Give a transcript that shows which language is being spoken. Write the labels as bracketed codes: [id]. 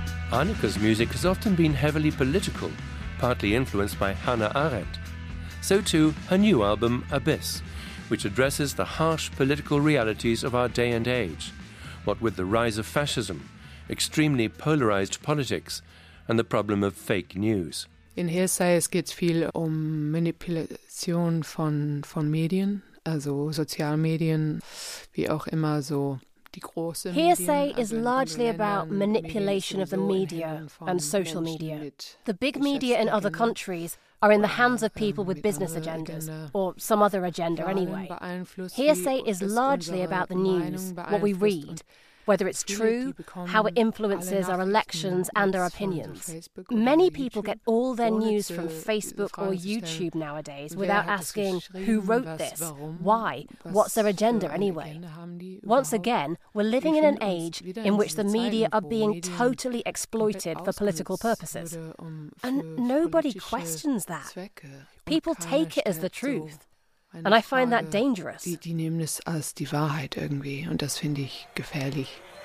[en] Annika's music has often been heavily political, partly influenced by Hannah Arendt. So too her new album, Abyss, which addresses the harsh political realities of our day and age, what with the rise of fascism, extremely polarized politics, and the problem of fake news. [de] In Hearsay es geht's viel Manipulation von Medien, also Sozialmedien, wie auch immer so. [en] Hearsay is largely about manipulation of the media and social media. The big media in other countries are in the hands of people with business agendas, or some other agenda anyway. Hearsay is largely about the news, what we read, whether it's true, how it influences our elections and our opinions. Many people get all their news from Facebook or YouTube nowadays without asking who wrote this, why, what's their agenda anyway. Once again, we're living in an age in which the media are being totally exploited for political purposes. And nobody questions that. People take it as the truth. And I find that dangerous. [de] Die nehmen es als die Wahrheit irgendwie, und das finde ich gefährlich.